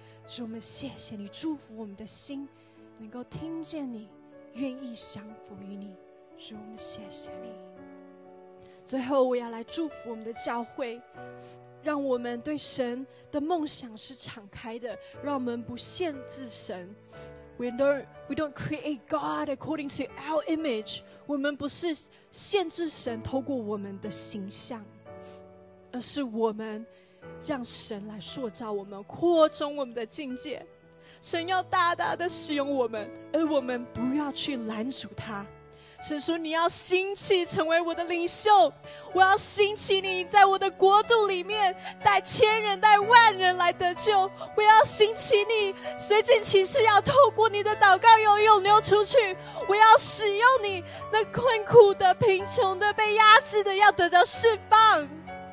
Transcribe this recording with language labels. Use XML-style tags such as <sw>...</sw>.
<zh>主，我们谢谢你，祝福我们的心能够听见你，愿意降服于你。主，我们谢谢你。最后我要来祝福我们的教会，让我们对神的梦想是敞开的，让我们不限制神。</zh> <en>We don't create God according to our image.</en> <zh>我们不是限制神透过我们的形象，而是我们让神来塑造我们，扩充我们的境界。神要大大的使用我们，而我们不要去拦阻他。神说，你要兴起成为我的领袖，我要兴起你在我的国度里面带千人带万人来得救，我要兴起你随着启示要透过你的祷告有涌流出去，我要使用你那困苦的贫穷的被压制的要得着释放。</zh>